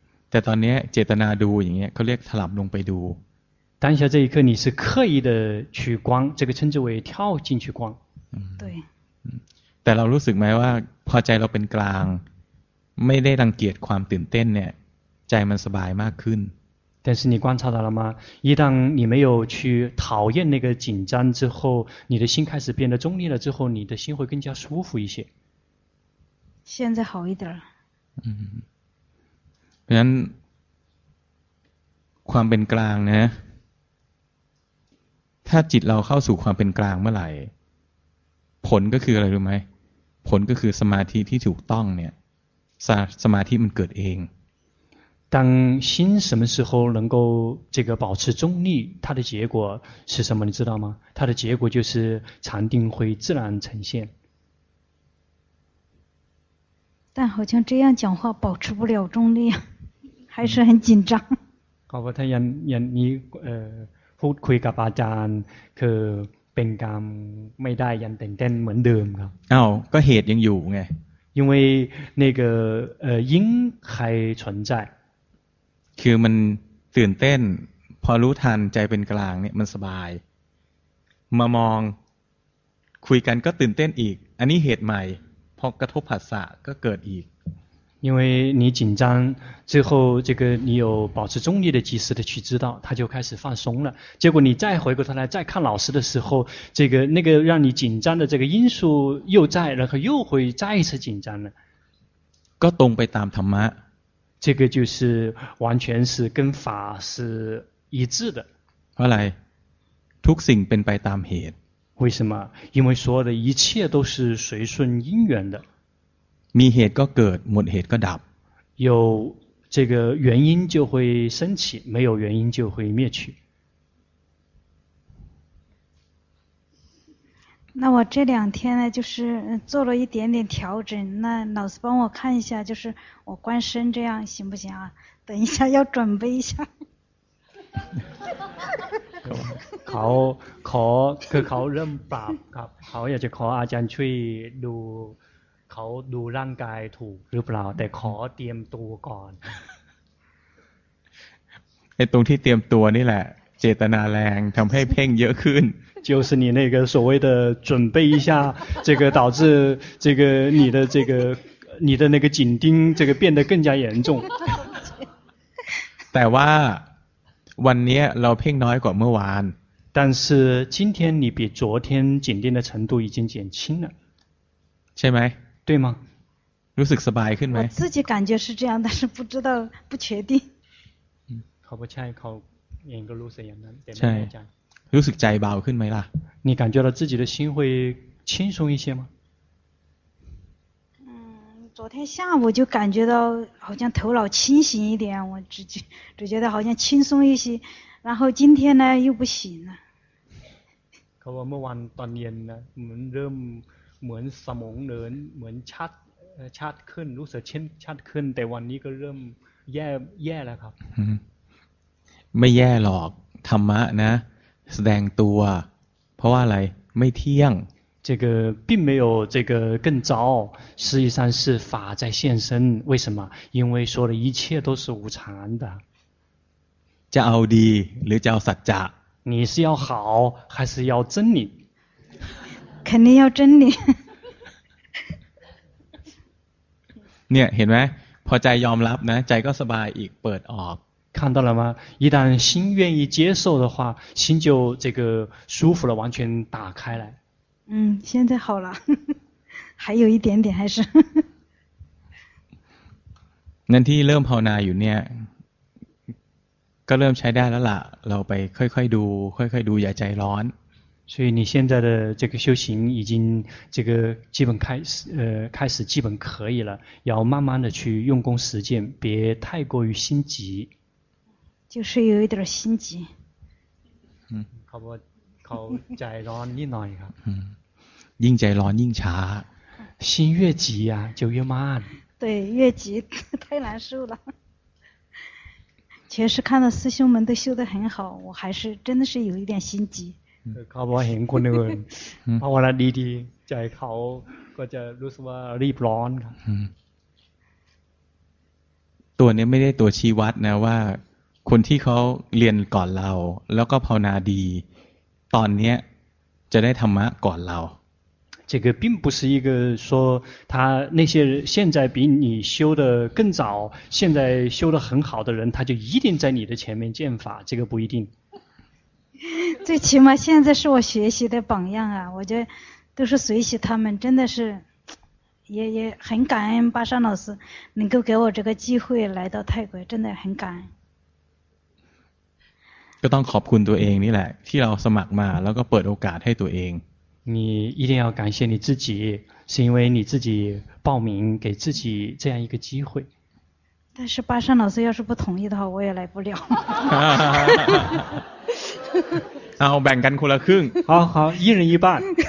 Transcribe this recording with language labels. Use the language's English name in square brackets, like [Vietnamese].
[Thai] แต่ตอนนี้เจตนาดูอย่างเงี้ยเขาเรียกถลำลงไปดู。 [Chinese] 当下这一刻你是刻意的去观，这个称之为跳进去观。对。 [Thai] แต่เรารู้สึกไหมว่าพอใจเราเป็นกลางไม่ได้รังเกียจความตื่นเต้นเนี่ยใจมันสบายมากขึ้น。 [Chinese] 但是你观察到了吗？一旦你没有去讨厌那个紧张之后，你的心开始变得中立了之后，你的心会更加舒服一些。现在好一点了。 [Thai] เพราะฉะนั้นความเป็นกลางนะถ้าจิตเราเข้าสู่ความเป็นกลางเมื่อไหร่ผลก็คืออะไรรู้ไหมผลก็คือสมาธิที่ถูกต้องเนี่ย สมาธิมันเกิดเอง [Chinese] 当心什么时候能够这个保持中立，它的结果是什么？你知道吗？它的结果就是禅定会自然呈现。但好像这样讲话保持不了中立，还是很紧张。好吧， [Thai] ยังนี้พูดคุยกับอาจารย์คือเป็นการไม่ได้ยังเต้นเหมือนเดิมครับ。 อ้าวก็เหตุยังอยู่ไง。 [Chinese] 因为那个因还存在。 [Thai] คือมันตื่นเต้นพอรู้ทันใจเป็นกลางเนี่ยมันสบายมามองคุยกันก็ตื่นเต้นอีกอันนี้เหตุใหม่พอกระทบผัสสะก็เกิดอีก [Chinese] 因为你紧张之后这个你有保持中立的及时的去知道他就开始放松了结果你再回过头来再看老师的时候这个那个让你紧张的这个因素又在然后又会再一次紧张了 [Thai] ก็ตรงไปตามธรรมะ [Chinese] 这个就是完全是跟法是一致的。后来， [Thai] ทุกสิ่งเป็นไปตามเหตุ。 [Chinese] 为什么？因为所有的一切都是随顺因缘的。 [Thai] มีเหตุก็เกิด，หมดเหตุก็ดับ。 [Chinese] 有这个原因就会升起，没有原因就会灭去。那我这两天呢就是做了一点点调整那老师帮我看一下就是我观身这样行不行啊等一下要准备一下考认吧考也就考阿江去读考读让该读是不老得考点读管哎东西点读你来 [Thai] เจตนาแรงทำให้เพ่งเยอะขึ้น [Chinese] 就是你那个所谓的准备一下这个导致这个你的这个你的那个紧盯这个变得更加严重 [Thai] แต่ว่าวันนี้เราเพ่งน้อยกว่าเมื่อวาน [Chinese] 但是今天你比昨天紧盯的程度已经减轻了 [Thai] ใช่ไหม [Chinese] 对吗 [Thai] รู้สึกสบายขึ้นไหม [Chinese] 我自己感觉是这样但是不知道不确定好不 [Thai] ใช่好เองก็รู้สึกอย่างนั้น ใช่รู้สึกใจเบาขึ้นไหมล่ะ [Chinese] 你感觉到自己的心会轻松一些吗？昨天下午就感觉到好像头脑清醒一点，我只觉得好像轻松一些，然后今天呢又不行了。可我们晚锻炼呢，我们 [Thai] เริ่มเหมือนสมองเริ่มเหมือนชัดชัดขึ้นรู้สึกเช่นชัดขึ้นแต่วันนี้ก็เริ่มแย่แล้วครับ ไม่แย่หรอกธรรมะนะแสดงตัวเพราะว่าอะไรไม่เที่ยง [Chinese] 这个并没有这个更糟实际上是法在现身为什么因为说的一切都是无常的 [Thai] จะเอาดีหรือจะเอาสัจจะ [Chinese] 你是要好还是要真理肯定要真理 [Thai] เนี่ยเห็นไหมพอใจยอมรับนะใจก็สบายอีกเปิดออก [Chinese] 看到了吗？一旦心愿意接受的话，心就这个舒服了，完全打开来。现在好了，还有一点点还是。 [Thai] นั่นที่เริ่มภาวนาอยู่เนี่ยก็เริ่มใช้ได้แล้วล่ะเราไปค่อยๆดูค่อยๆดูอย่าใจร้อน [Chinese] 所以你现在的这个修行已经这个基本开始开始基本可以了要慢慢的去用功实践别太过于心急就是有一点心急嗯好不好 [Thai] ใจร้อนนิดหน่อยครับ ยิ่งใจร้อนยิ่งช้า [Chinese] 心越急啊就越慢对越急太难受了确实看到师兄们都修得很好我还是真的是有一点心急 [Thai] เขาบอกเห็นคนอื่นภาวนาดีๆใจเขาก็จะรู้สึกว่ารีบร้อนครับ ตัวนี้ไม่ได้ตัวชี้วัดนะว่าคนที่เขาเรียนก่อนเราแล้วก็ภาวนาดีตอนนี้จะได้ธรรมะก่อนเรา [Chinese] 这个并不是一个说他那些现在比你修的更早现在修的很好的人他就一定在你的前面见法这个不一定最起码现在是我学习的榜样啊我觉得都是随喜他们真的是也很感恩巴山老师能够给我这个机会来到泰国真的很感恩 [Thai] ก็ต้องขอบคุณตัวเองนี่แหละที่เราสมัครมาแล้วก็เปิดโอกาสให้ตัวเอง [Chinese] 你一定要感谢你自己是因为你自己报名给自己这样一个机会但是巴山老师要是不同意的话我也来不了 [Thai] เอาแบ่งกันคนละครึ่ง [Chinese] 好好一人一半